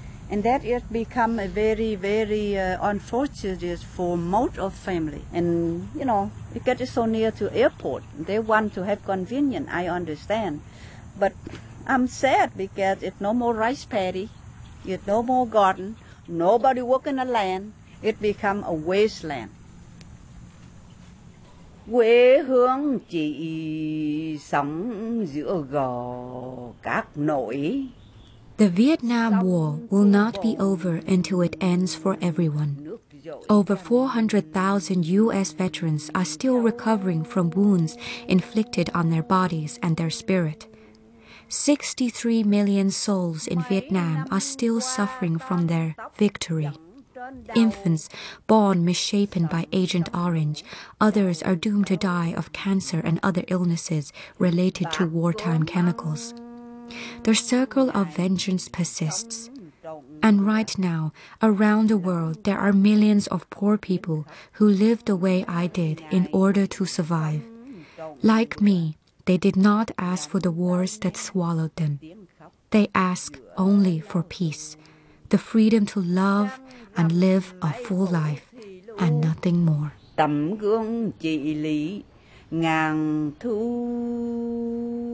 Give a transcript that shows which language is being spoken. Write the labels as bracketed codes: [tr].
[en] And that has become a very, very unfortunate for most of family. And, you know, it gets so near to airport. They want to have convenience, I understand. But I'm sad because it's no more rice paddy, it's no more garden, nobody work in the land. It become a wasteland. [vi] Quê hương chị sống giữa gò các nỗi. [en] The Vietnam War will not be over until it ends for everyone. Over 400,000 U.S. veterans are still recovering from wounds inflicted on their bodies and their spirit. 63 million souls in Vietnam are still suffering from their victory. Infants born misshapen by Agent Orange, others are doomed to die of cancer and other illnesses related to wartime chemicals. Their circle of vengeance persists. And right now, around the world, there are millions of poor people who live the way I did in order to survive. Like me, they did not ask for the wars that swallowed them. They ask only for peace, the freedom to love and live a full life, and nothing more. [vi] Tấm gương chị Lý ngàn thu.